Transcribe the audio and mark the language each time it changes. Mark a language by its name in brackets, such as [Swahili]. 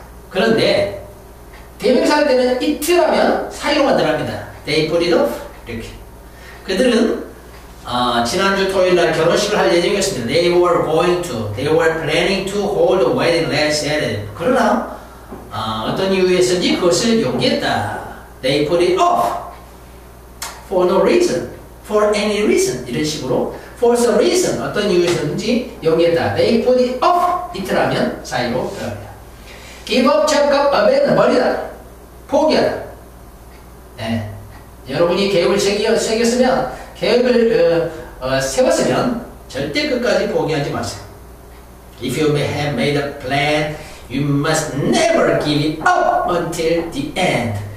[Korean] 그런데 대명사일 때는 it라면 사이로만 들어갑니다. [English] They put it off [Korean] 이렇게. 그들은 지난주 토요일날 결혼식을 할 예정이었습니다. [English] They were planning to hold a wedding last Saturday. [Korean] 그러나 어떤 이유에서인지 그것을 용기했다. [English] They put it off for no reason, for any reason [Korean] 이런 식으로 [English] for some reason [Korean] 어떤 이유에서인지 용기했다. [English] They put it off [Korean] 이틀하면 사이로 들어갑니다. [English] Give up, check up, abandon [Korean] 버리다, 포기하다. 네. 여러분이 계획을 세웠으면 계획을 세웠으면 절대 끝까지 포기하지 마세요. [English] If you have made a plan, you must never give it up until the end.